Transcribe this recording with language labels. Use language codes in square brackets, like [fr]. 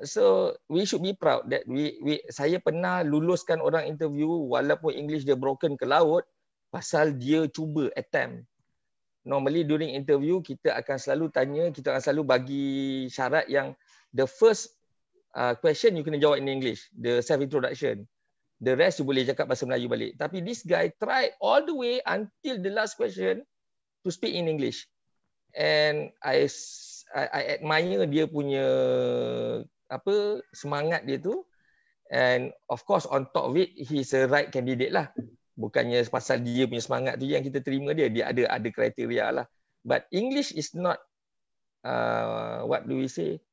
[en] So we should be proud that we [ms] saya pernah luluskan orang interview walaupun English dia broken ke laut pasal dia cuba attempt. [en] Normally during interview [ms] kita akan selalu tanya, kita akan selalu bagi syarat yang [en] the first question you [ms] kena jawab [en] in English, the self introduction. The rest you [ms] boleh cakap bahasa Melayu balik. Tapi [en] this guy try all the way until the last question to speak in English. And I admire [ms] dia punya apa semangat dia tu. [en] And of course on top of it, he's a right candidate lah. [ms] Bukannya pasal dia punya semangat tu yang kita terima dia. Dia ada kriteria lah. [en] But English is not, what do we say?